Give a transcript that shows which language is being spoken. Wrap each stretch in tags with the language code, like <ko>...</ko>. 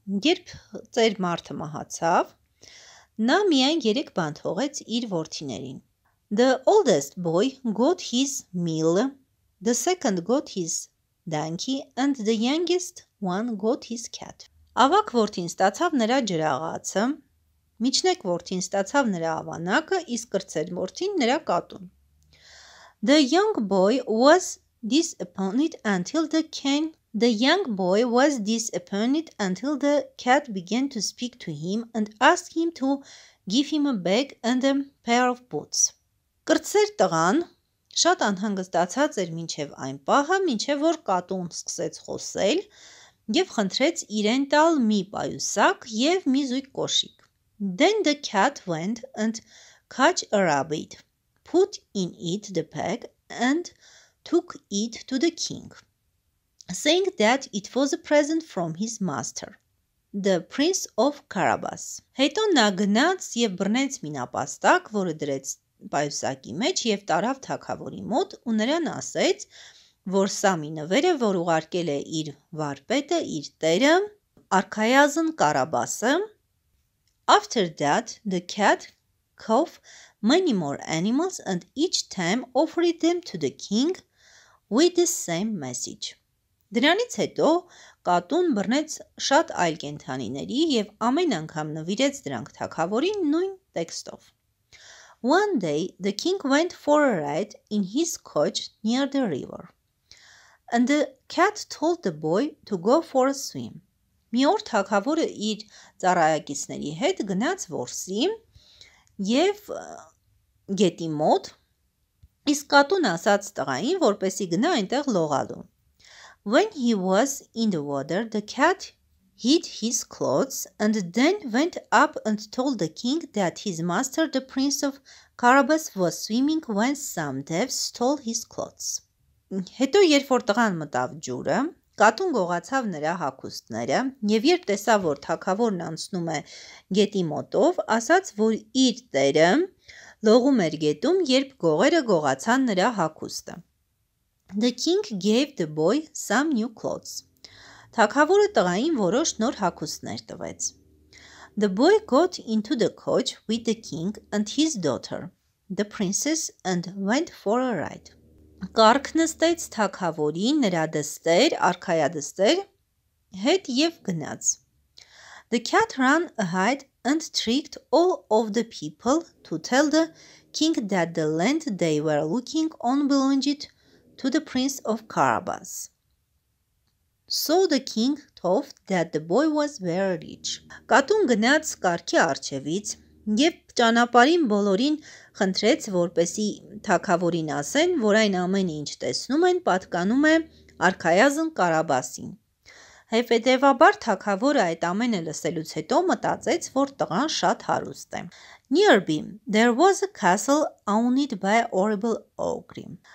<hy>Երբ ծեր մարդը մահացավ, նա միայն երեք բան թողեց իր որդիներին։</hy> <en>The oldest boy got his mill, the second got his donkey, and the youngest one got his cat.</en> <hy>Ավակ որդին ստացավ նրա ջրաղացը, միջնեք որդին ստացավ նրա ավանակը, իսկ կրտսեր որդին նրա կատուն։</hy> <en>The young boy was disappointed until the cane. The young boy was disappointed until the cat began to speak to him and asked him to give him a bag and a pair of boots.</en> <hy>Կրտսեր տղան շատ անհանգստացած էր մինչև այն պահը, մինչև որ կատուն սկսեց խոսել և խնդրեց իրեն տալ մի պայուսակ և մի զույգ կոշիկ.</hy> <en>Then the cat went and caught a rabbit, put in it the bag and took it to the king. saying that it was a present from his master, the Prince of Carabas.</en> <hy>Հետո նա գնաց և բռնեց մինապաստակ, որը դրեց պայուսակի մեջ և տարավ թագավորի մոտ ու նրան ասեց, որ սա մի նվեր է, որ ուղարկել է իր վարպետը, իր տերը, արքայազն Կարաբասը.</hy> <en>After that, the cat caught many more animals and each time offered them to the king with the same message.</en> <hy>Դրանից հետո կատուն բռնեց շատ այլ կենդանիների և ամեն անգամ նվիրեց դրանք թագավորին նույն տեքստով.</hy> <en>One day, the king went for a ride in his coach near the river, and the cat told the boy to go for a swim.</en> <hy>Մի օր թագավորը իր ծառայակիցների հետ գնաց որսի և գետի մոտ, իսկ կատուն ասաց տղային, որպեսի գնա այնտեղ լողալու։</hy> <en>When he was in the water, the cat hid his clothes and then went up and told the king that his master, the prince of Carabas, was swimming when some devs stole his clothes.</en> <hy>Հետո երբ որ տղան մտավ ջուրը, կատուն գողացավ նրա հագուստները, և երբ տեսավ, որ թագավորն անցնում է գետի մոտով, ասաց, որ իր տերը լողում էր գետում, երբ գողերը գողացան նրա հագուստը.</hy> <en>The king gave the boy some new clothes.</en> <hy>Թագավորը տղային որոշ նոր հագուստներ տվեց.</hy> <en>The boy got into the coach with the king and his daughter, the princess, and went for a ride.</en> <hy>Կառք նստեց թագավորին, նրա դստեր, արքայադստեր հետ և գնաց.</hy> <en>The cat ran ahead and tricked all of the people to tell the king that the land they were looking on belonged to the prince of Carabas. So the king thought that the boy was very rich.</en> <hy>Կատուն գնաց կառքի առջևից և ճանապարհին բոլորին խնդրեց, որպեսի թագավորին ասեն, որ այն ամեն ինչ տեսնում են, պատկանում է արքայազն Կարաբասին։ Հետևաբար թագավորը այդ ամենը լսելուց հետո մտածեց, որ տղան շատ հարուստ է։</hy> <en>Nearby, there was a castle owned by a horrible ogre.</en>